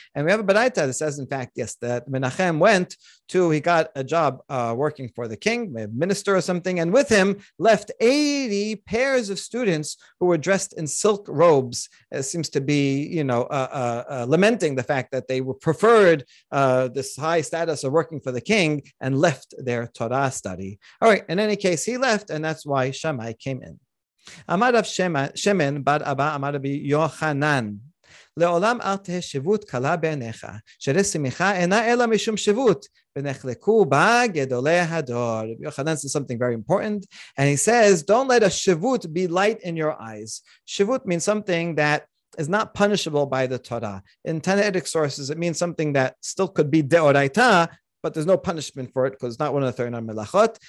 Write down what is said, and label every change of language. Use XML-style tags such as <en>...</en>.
<en>And we have a beraita that says, in fact, yes, that Menachem went. He got a job working for the king, a minister or something, and with him left 80 pairs of students who were dressed in silk robes. It seems to be, lamenting the fact that they were preferred this high status of working for the king and left their Torah study. All right, in any case, he left, and that's why Shammai came in.</en> <he>Amar Rav Shemen bar Abba Amar Rabbi Yohanan. לעולם אל תהיה שבות קלה בעיניך, שרי שמחה אינה אלא משום שבות, ונחלקו בגדולי הדור.</he> <en>יוחנן says something very important, and he says, don't let a שבות be light in your eyes. שבות means something that is not punishable by the Torah. In Tanaitic sources, it means something that still could be deoraita, but there's no punishment for it because it's not one of the 39 melachot.</en>